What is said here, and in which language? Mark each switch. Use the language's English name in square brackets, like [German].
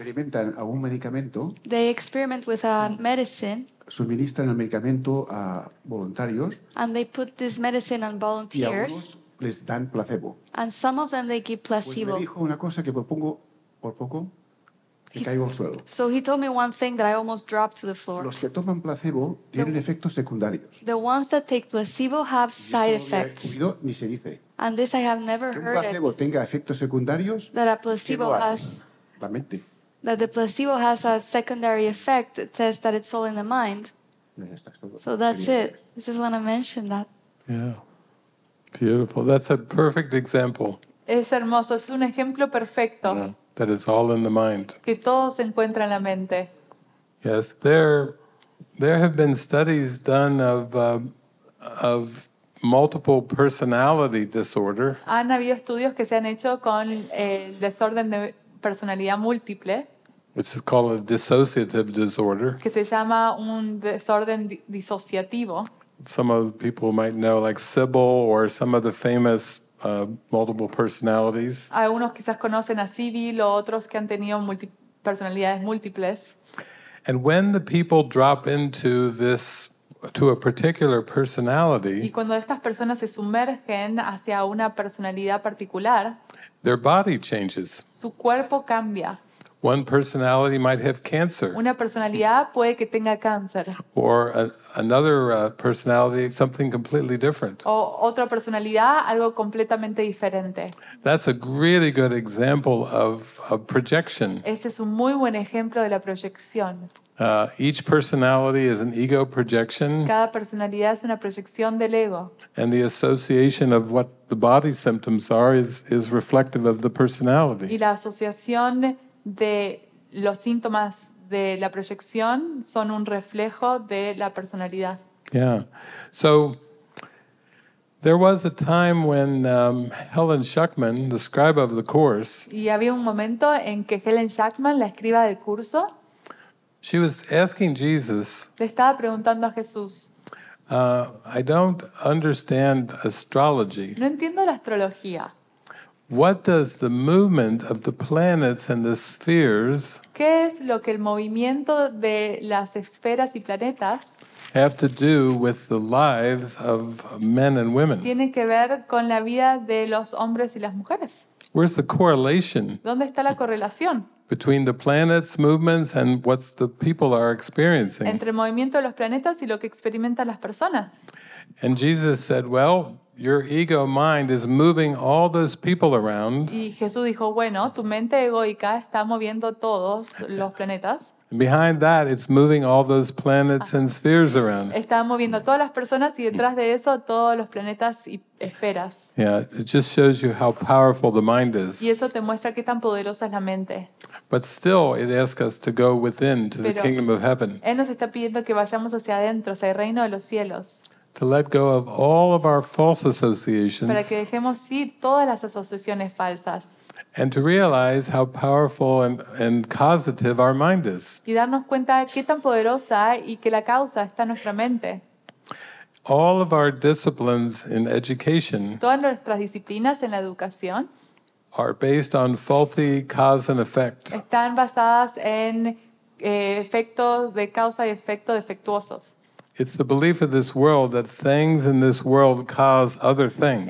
[Spanish] experimentan algún medicamento [English] they experiment with a medicine [Spanish] suministran el medicamento a voluntarios [English] and they put this medicine on volunteers [Spanish] les dan placebo. [English] And some of them they give placebo. [Spanish] Pues me dijo una cosa que por poco me caigo al suelo. [English] So he told me one thing that I almost dropped to the floor. [Spanish] Los que toman placebo tienen efectos secundarios. [English] The ones that take placebo have side effects. [Spanish] Y esto no lo he oído, ni se dice. [English] And this I have never heard it. [Spanish] Que un placebo tenga efectos secundarios. [English] That a placebo has. [Spanish] La mente. [English] That the placebo has a secondary effect. It says that it's all in the mind. So that's it. I just want to mention that. Yeah. Beautiful. That's a perfect example. [Spanish] Es hermoso. Es un ejemplo perfecto. Yeah. [English] That it's all in the mind. [Spanish] Que todo se encuentra en la mente. [English] Yes, there have been studies done of multiple personality disorder. [Spanish] Han habido estudios que se han hecho con el desorden de personalidad múltiple. [English] Which is called a dissociative disorder. [Spanish] Que se llama un desorden disociativo. [English] Some of the people might know, like Sybil or some of the famous multiple personalities. [Spanish] Algunos quizás conocen a Sybil o otros que han tenido personalidades múltiples. [English] And when the people drop into this, to a particular personality, [Spanish] y cuando estas personas se sumergen hacia una personalidad particular, [English] their body changes. [Spanish] Su cuerpo cambia. [English] One personality might have cancer. [Spanish] Una personalidad puede que tenga cáncer. [English] Or another personality, something completely different. [Spanish] O otra personalidad, algo completamente diferente. [English] That's a really good example of a projection. [Spanish] Ese es un muy buen ejemplo de la proyección. [English] Each personality is an ego projection. [Spanish] Cada personalidad es una proyección del ego. [English] And the association of what the body symptoms are is reflective of the personality. [Spanish] Y la asociación de los síntomas de la proyección son un reflejo de la personalidad. [English] Yeah. So there was a time when Helen Schuckman, the scribe of the course, [Spanish] y había un momento en que Helen Schuckman, la escriba del curso, [English] she was asking Jesus, [Spanish] le estaba preguntando a Jesús, [English] I don't understand astrology. [Spanish] No entiendo la astrología. [English] What does the movement of the planets and the spheres [Spanish] ¿qué es lo que el movimiento de las esferas y planetas [English] have to do with the lives of men and women? [Spanish] Tiene que ver con la vida de los hombres y las mujeres. [English] Where's the correlation? [Spanish] ¿Dónde está la correlación? [English] Between the planets' movements and what the people are experiencing. [Spanish] Entre el movimiento de los planetas y lo que experimentan las personas. [English] And Jesus said, well, your ego mind is moving all those people around. [Spanish] Y Jesús dijo, bueno, tu mente egoica está moviendo todos los planetas. [English] And behind that, it's moving all those planets and spheres around. [Spanish] Está moviendo todas las personas y detrás de eso todos los planetas y esferas. [English] Yeah, it just shows you how powerful the mind is. [Spanish] Y eso te muestra qué tan poderosa es la mente. [English] But still, it asks us to go within to [Spanish] Pero [English] the kingdom of heaven. [Spanish] Él nos está pidiendo que vayamos hacia adentro, hacia el reino de los cielos. [English] To let go of all of our false associations. [Spanish] Para que dejemos ir todas las asociaciones falsas. [English] And to realize how powerful and causative our mind is. [Spanish] Y darnos cuenta de qué tan poderosa y que la causa está en nuestra mente. [English] All of our disciplines in education. [Spanish] Todas nuestras disciplinas en la educación. [English] Are based on faulty cause and effect. [Spanish] Están basadas en efectos de causa y efecto defectuosos. [English] It's the belief of this world that things in this world cause other things.